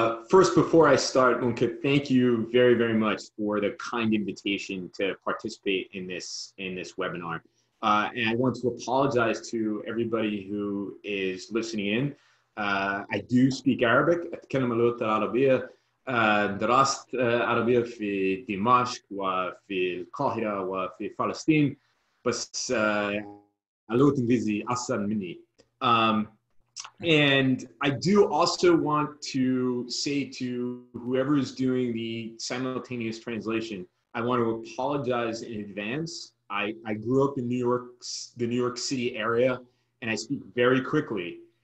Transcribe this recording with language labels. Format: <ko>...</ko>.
<en>First, before I start, Munke, thank you very, very much for the kind invitation to participate in this webinar. And I want to apologize to everybody who is listening in. I do speak Arabic.</en> <ar>أتكلم اللغة العربية. درست عربية في دمشق وفي القاهرة وفي فلسطين. بس اللغة الإنجليزية أصلاً مني.</ar> <en>And I do also want to say to whoever is doing the simultaneous translation, I want to apologize in advance. I grew up in the New York City area, and I speak very quickly.</en>